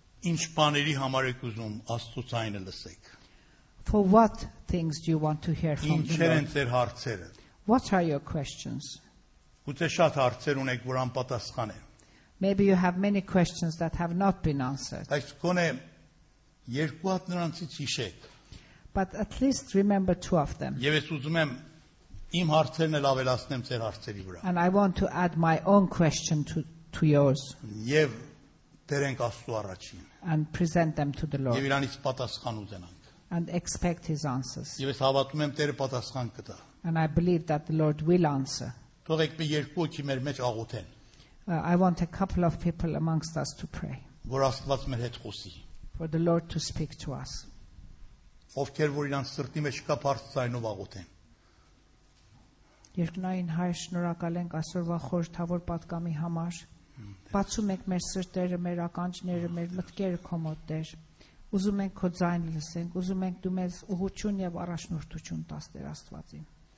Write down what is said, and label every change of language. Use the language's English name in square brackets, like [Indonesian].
[Armenian] ինչ բաների համար եք ուզում Աստծո ձայնը լսեք։ [English] For what things do you want to hear from the Lord? [Armenian] Ձեր հարցերը։ [English] What are your questions? [Armenian] Ուտե շատ հարցեր ունեք, որ անպատասխան են։ [English] Maybe you have many questions that have not been answered. [Armenian] Այս կոնե երկու հատ նրանցից հիշեք։ [English] But at least remember two of them. [Armenian] Եվ ես ուզում եմ իմ հարցերն էլ ավելացնեմ ձեր հարցերի վրա։ [English] And I want to add my own question to yours. [Armenian] Եվ դերենք Աստու առաջին։ [English] And present them to the Lord. [Armenian] Եվ իրանից պատասխան ուզենանք։ [English] And expect his answers. [Armenian] Եվ ես հավատում եմ Տերը պատասխան կտա։ [English] And I believe that the Lord will answer. [Armenian] Թողեք մի երկու հոգի մեր մեջ աղոթեն։ [English] I want a couple of people amongst us to pray. [Armenian] Որ Աստված մեր հետ խոսի։ [English] For the Lord to speak to us. [Armenian] Ովքեր որ իրանց սրտի մեջ կա բարձր ցայնով աղոթեն։ Երկնային հայր, շնորհակալ ենք այսօրվա խորհրդավոր պատգամի համար։ Բացում ենք մեր սրտերը, մեր ականջները, մեր մտքերը քո մոտ, Տեր։ Ուզում ենք քո ձայնը լսենք, ուզում ենք դու մեզ ուղղություն եւ առաջնորդություն տաս Տեր Աստվածին։